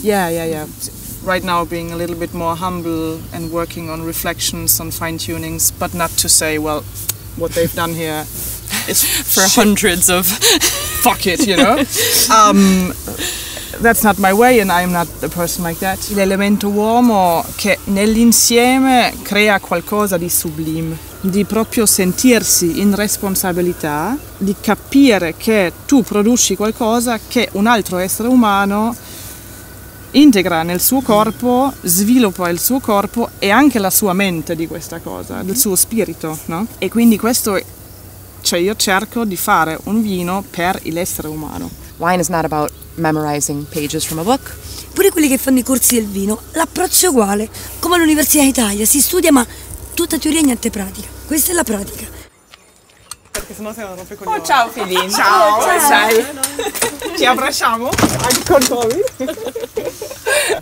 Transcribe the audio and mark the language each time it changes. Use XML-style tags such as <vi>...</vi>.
<en>Yeah. Mm-hmm. Right now being a little bit more humble and working on reflections, on fine-tunings, but not to say, well, what they've done here is for hundreds of fuck it, you know? That's not my way and I'm not a person like that.</en> <it>L'elemento uomo che nell'insieme crea qualcosa di sublime, di proprio sentirsi in responsabilità, di capire che tu produci qualcosa che un altro essere umano integra nel suo corpo, sviluppa il suo corpo e anche la sua mente di questa cosa, del suo spirito, no? E quindi questo, cioè io cerco di fare un vino per l'essere umano.</it> <en>Wine is not about memorizing pages from a book.</en> <it>Pure quelli che fanno i corsi del vino, l'approccio è uguale, come all'Università d'Italia, si studia ma tutta teoria e niente pratica. Questa è la pratica. Perché sennò se la rompe con gli occhi. Oh, ciao Filin. Ciao. Oh, ciao. Ciao. Ti abbracciamo anche con Tommy.</it>